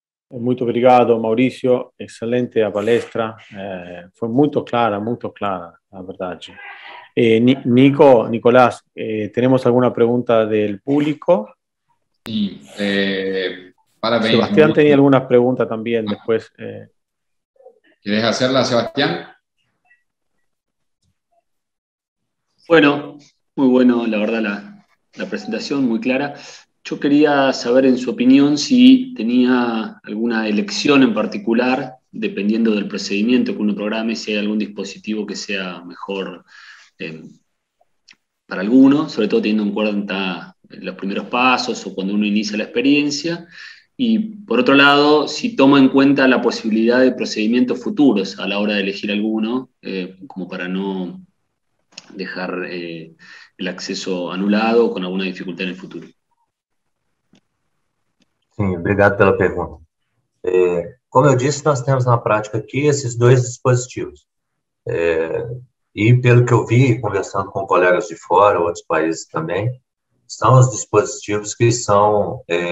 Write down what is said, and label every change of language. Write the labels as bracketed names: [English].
[Portuguese] Muito obrigado, Maurício. Excelente a palestra. Foi muito clara, na verdade. Nico, Nicolás, temos alguma pergunta do público? Sim. Parabéns. [Spanish] Sebastián tenía algunas preguntas también después. ¿Quieres hacerla, Sebastián? Bueno, muy bueno, la verdad, la presentación, muy clara. Yo quería saber, en su opinión, si tenía alguna elección en particular, dependiendo del procedimiento que uno programe, si hay algún dispositivo que sea mejor para alguno, sobre todo teniendo en cuenta los primeros pasos o cuando uno inicia la experiencia. Y por otro lado, si toma en cuenta la posibilidad de procedimientos futuros a la hora de elegir alguno, como para no dejar el acceso anulado con alguna dificultad en el futuro. [Portuguese] Sim, obrigado pela pergunta. Como eu disse, nós temos na prática aqui esses dois dispositivos. E pelo que eu vi, conversando com colegas de fora, outros países também, são os dispositivos que são...